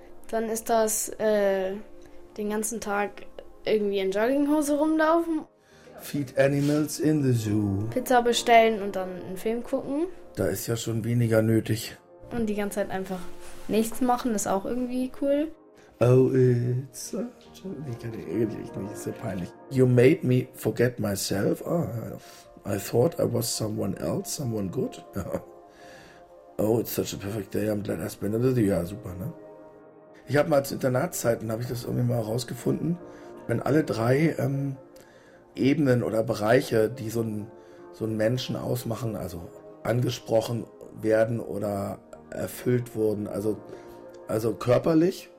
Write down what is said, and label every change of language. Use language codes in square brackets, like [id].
[de] Dann ist das den ganzen Tag irgendwie in Jogginghose rumlaufen. [en] Feed animals in the zoo. [de] Pizza bestellen und dann einen Film gucken. Da ist ja schon weniger nötig. Und die ganze Zeit einfach nichts machen, ist auch irgendwie cool. [en] Oh, it's such a... [de] Ich kann nicht, ist ja peinlich. [en] You made me forget myself. Oh, I thought I was someone else, someone good. Oh, it's such a perfect day. I'm glad I spent it with you. [de] Ja, super, ne? Ich habe mal zu Internatszeiten, habe ich das irgendwie mal herausgefunden, wenn alle drei Ebenen oder Bereiche, die so einen Menschen ausmachen, also angesprochen werden oder erfüllt wurden, also körperlich...